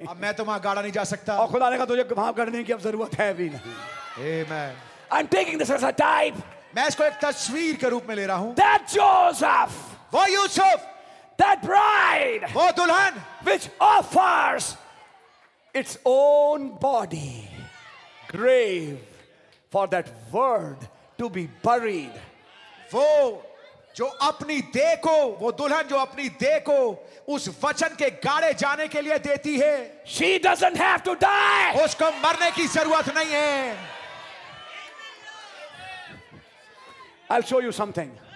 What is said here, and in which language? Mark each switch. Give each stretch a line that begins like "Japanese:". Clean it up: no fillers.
Hindi: अब मैं तो वहां गाड़ा नहीं जा सकता। और खुदा ने कहा तुझे वहां गाड़ने की अब जरूरत है भी नहीं।
English: Amen. I'm taking this as a type.
Hindi: मैं इसको एक तस्वीर के रूप में ले रहा हूं।
English: That Joseph,
Hindi: वो यूसुफ,
English: that bride,
Hindi: वो दुल्हन,
English: which offers its own body, grave, for that word to be buried.
Hindi: वो जो अपनी देह को वो दुल्हन जो अपनी देह को उस वचन के गाड़े जाने के लिए देती है
English: She doesn't have to die.
Hindi: उसको मरने की जरूरत नहीं है
English: I'll show you something.